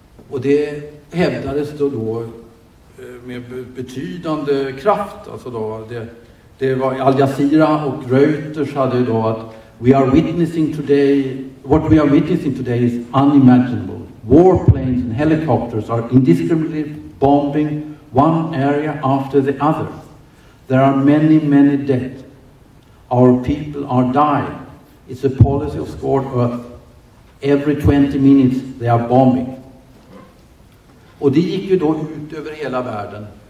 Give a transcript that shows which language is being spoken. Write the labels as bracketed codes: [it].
[sv] Och det hävdades då med betydande kraft. Alltså då, det var Al Jazeera och Reuters hade då att [en] what we are witnessing today is unimaginable. Warplanes and helicopters are indiscriminately bombing one area after the other. There are many, many dead. Our people are dying. It's a policy of scorched earth. Every 20 minutes they are bombing. [sv] Och det gick ju då ut över hela världen.